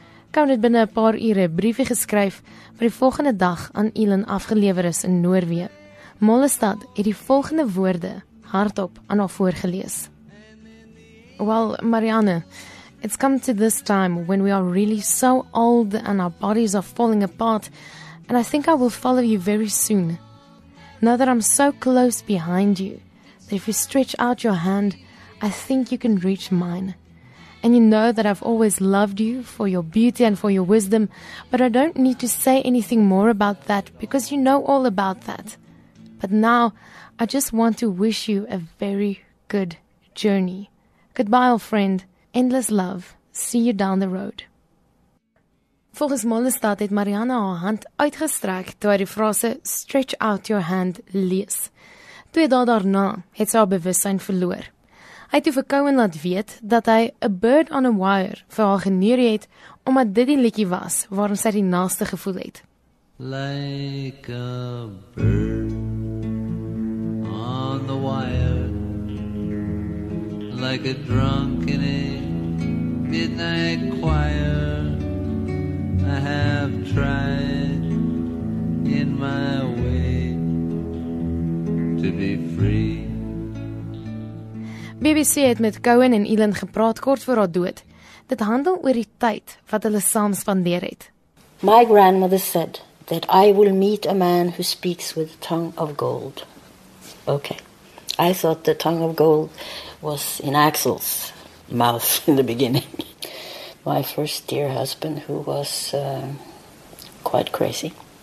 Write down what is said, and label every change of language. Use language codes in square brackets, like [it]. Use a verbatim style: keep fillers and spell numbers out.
[af] Cohen het binne 'n paar ure 'n briefie geskryf wat die volgende dag aan Eelen afgelewer is in Noorwe. Mollestad het die volgende woorde hardop aan haar voorgelees. [en] Well, Marianne, it's come to this time when we are really so old and our bodies are falling apart, and I think I will follow you very soon. Now that I'm so close behind you, that if you stretch out your hand, I think you can reach mine. And you know that I've always loved you for your beauty and for your wisdom, but I don't need to say anything more about that because you know all about that. But now, I just want to wish you a very good journey. Goodbye, old friend. Endless love. See you down the road. [af] Volgens Mollestad het Marianne haar hand uitgestrek toe hy die frase [en] stretch out your hand [af] lees. Twee dae daarna het sy haar bewussyn verloor. Hy het vir Cohen laat weet dat hy 'n Bird on a Wire vir haar geneer het omdat dit die liedjie was waarom sy die naaste gevoel het. [en] Like a bird on the wire, like a drunk in a midnight choir, I have tried in my way to be free. [af] B B C het met Cohen en Eelen gepraat kort voor haar dood. Dit handel oor die tyd wat hulle saam spandeer het. [en] My grandmother said that I will meet a man who speaks with the tongue of gold. Okay. I thought the tongue of gold was in Axel's mouth in the beginning. My first dear husband, who was uh, quite crazy.